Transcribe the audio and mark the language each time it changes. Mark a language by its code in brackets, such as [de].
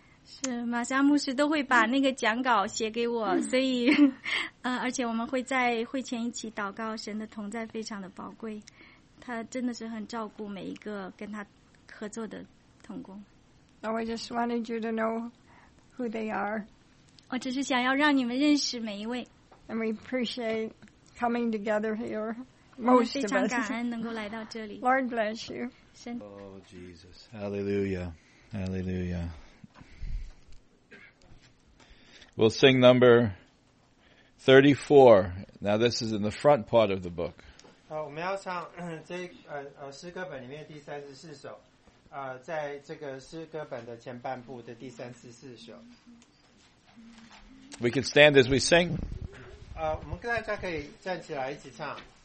[zh] 是，马莎牧师都会把那个讲稿写给我，所以，而且我们会在会前一起祷告，神的同在非常的宝贵，他真的是很照顾每一个跟他合作的同工。 [en] So I just wanted you to know who they are. [zh] 我只是想要让你们认识每一位。 [en] And we appreciate coming together here, most of us. [zh] 非常感恩能够来到这里。 [en] Lord bless you. Oh, Jesus. Hallelujah. Hallelujah. We'll sing number 34. Now this is in the front part of the book. [zh] 好，我们要唱这诗歌本里面第三十四首，在这个诗歌本的前半部的第三十四首。 [en] We can stand as we sing. [zh] 我们跟大家可以站起来一起唱。